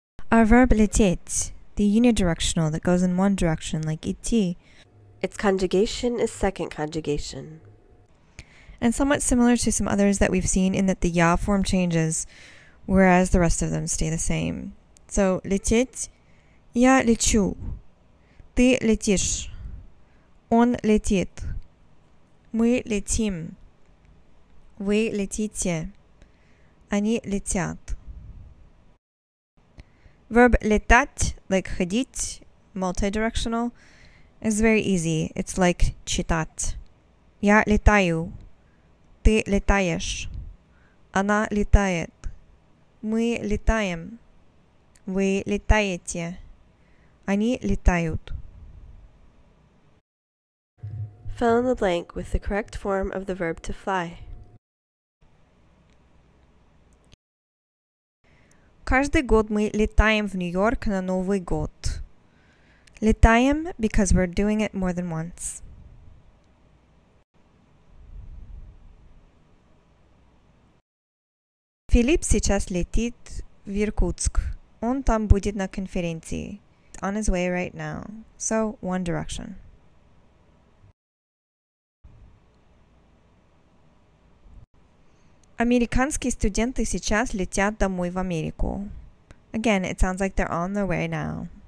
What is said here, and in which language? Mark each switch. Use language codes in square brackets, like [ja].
[en] Our verb лететь, the unidirectional that goes in one direction, like идти. Its conjugation is second conjugation. And somewhat similar to some others that we've seen in that the ya form changes, whereas the rest of them stay the same. [ru] So, лететь, я лечу, ты летишь, он летит, мы летим, вы летите, они летят. [en] Verb летать, like ходить, multidirectional, is very easy. It's like [ru] читать. Я летаю. Ты летаешь. Она летает. Мы летаем. Вы летаете. Они летают. [en] Fill in the blank with the correct form of the verb to fly. [ru] Каждый год мы летаем в Нью-Йорк на Новый год. [en] Летаем because we're doing it more than once. [ru] Филипп сейчас летит в Иркутск. Он там будет на конференции. [en] On his way right now. So, one direction. [ru] Американские студенты сейчас летят домой в Америку. [en] Again, it sounds like they're on their way now.